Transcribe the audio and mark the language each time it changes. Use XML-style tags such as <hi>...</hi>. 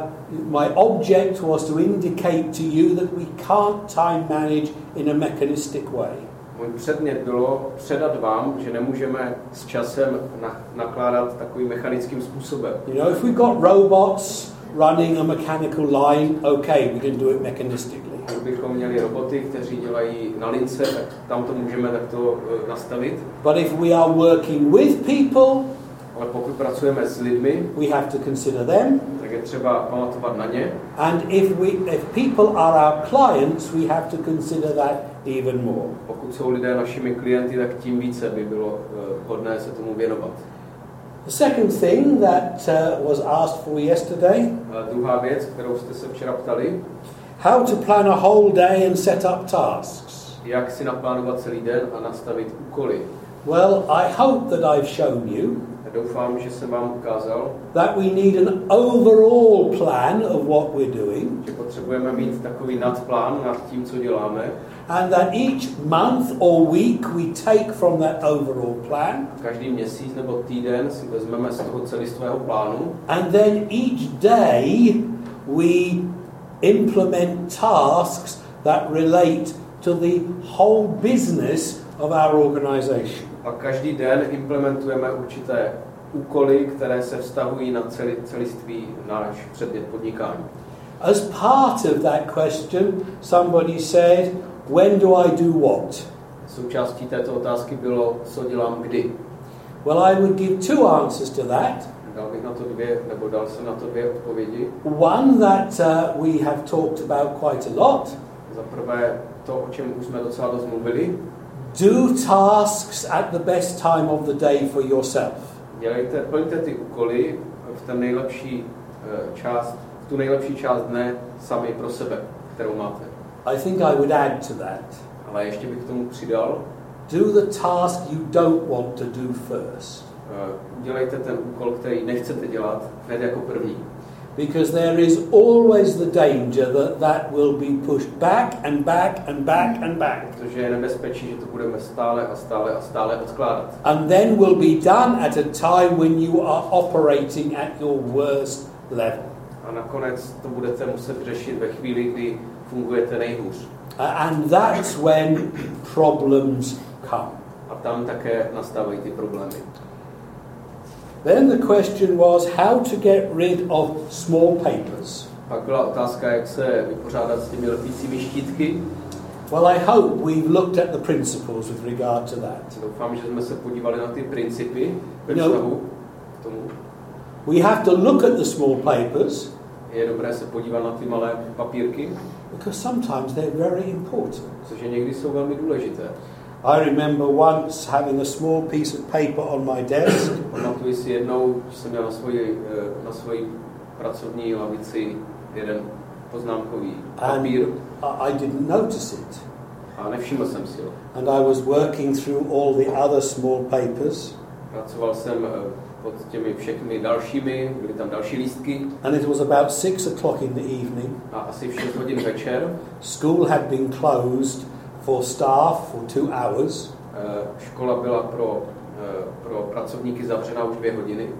<en>My object was to indicate to you that we can't time manage in a mechanistic way.</en> <cs>Můj předmět bylo předat vám, že nemůžeme s časem nakládat takovým mechanickým způsobem.</cs> <en>You know, if we've got robots running a mechanical line, okay, we can do it mechanistically.</en> <cs>Kdybychom měli roboty, kteří dělají na lince, tak tam to můžeme takto nastavit.</cs> <en>But if we are working with people,</en> <cs>ale pokud pracujeme s lidmi,</cs> <en>we have to consider them.</en> <cs>Tak je třeba pamatovat na ně.</cs> <en>And if people are our clients, we have to consider that even more.</en> <cs>Pokud jsou lidé našimi klienty, tak tím více by bylo hodné se tomu věnovat.</cs> <en>The second thing that was asked for yesterday.</en> <cs>Druhá věc, kterou jste se včera ptali.</cs> <en>How to plan a whole day and set up tasks.</en> <cs>Jak si naplánovat celý den a nastavit úkoly.</cs> <en>Well, I hope that I've shown you.</en> <cs>Doufám, že jsem vám ukázal,</cs> <en>that we need an overall plan of what we're doing.</en> <cs>Že potřebujeme mít takový nadplán nad tím, co děláme.</cs> <en>And that each month or week we take from that overall plan.</en> <cs>Každý měsíc nebo týden si vezmeme z toho celistvého plánu.</cs> <en>And then each day we implement tasks that relate to the whole business of our organization.</en> <cs>A každý den implementujeme určité úkoly, které se vztahují na celiství náš předmět podnikání.</cs> <en>As part of that question, somebody said, when do I do what?</en> <cs>Součástí této otázky bylo, co dělám kdy.</cs> <en>Well, I would give two answers to that.</en> <cs>Dal bych na to dvě, nebo dal jsem na to dvě odpovědi.</cs> <en>One that we have talked about quite a lot.</en> <cs>Za prvé to, o čem už jsme docela dost mluvili.</cs> <en>Do tasks at the best time of the day for yourself.</en> <cs>Dělejte, plňte ty úkoly v ten nejlepší část, v tu nejlepší část dne sami pro sebe, kterou máte.</cs> <en>I think I would add to that.</en> <cs>Ale ještě bych k tomu přidal.</cs> <en>Do the task you don't want to do first.</en> <cs>Dělejte ten úkol, který nechcete dělat, hned jako první.</cs> <en>Because there is always the danger that that will be pushed back and back and back and back.</en> <cs>Protože je nebezpečí, že to budeme stále a stále a stále odkládat.</cs> <en>And then will be done at a time when you are operating at your worst level.</en> <cs>A nakonec to budete muset řešit ve chvíli, kdy fungujete nejhůř.</cs> <en>And that's when problems come.</en> <cs>A tam také nastávají ty problémy.</cs> <en>Then the question was how to get rid of small papers.</en> <cs>Pak byla otázka, jak se vypořádat s těmi lepícími štítky.</cs> <en>Well, I hope we've looked at the principles with regard to that.</en> <cs>Doufám, že jsme se podívali na ty principy ve vztahu k tomu.</cs> <en>We have to look at the small papers.</en> <cs>Je dobré se podívat na ty malé papírky.</cs> <en>Because sometimes they're very important.</en> <cs>Protože někdy jsou velmi důležité.</cs> <en>I remember once having a small piece of paper on my desk.</en> <cs>Pamatuji si jednou, že jsem měl na svoji pracovní lavici jeden poznámkový papír.</cs> <en>I didn't notice it.</en> <cs>A nevšiml jsem si ho.</cs> <en>And I was working through all the other small papers.</en> <cs>Pracoval jsem pod těmi všechny dalšími, byly tam další lístky.</cs> <en>And it was about 6 o'clock in the evening.</en> <cs>A asi v 6 hodin večer.</cs> <en>School had been closed for staff for 2 hours.</en> <cs>Škola byla pro pracovníky zavřena už 2 hodiny.</cs>